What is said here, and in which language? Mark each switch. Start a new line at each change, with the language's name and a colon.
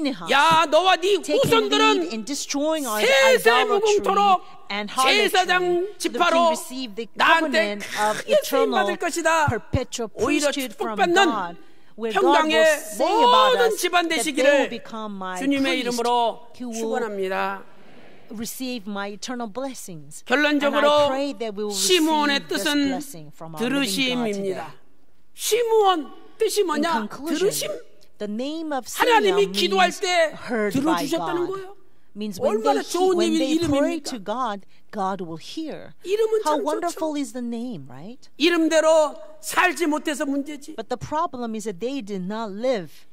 Korean: 야 너와 네 후손들은 세세 무궁토록 제사장 지파로 나한테 크게 쓰임받을 것이다 오히려 축복받는 평강의 모든 집안 되시기를 주님의 이름으로 축원합니다
English: receive my eternal blessings
Korean: 결론적으로 시므온의 뜻은 들으심입니다 시므온 뜻이 뭐냐 들으심
English: The name of Simeon heard by God means when they pray to God, God will hear. How wonderful is the name, right?
Korean: 이름대로 살지 못해서 문제지.
English: But the problem is that they did not live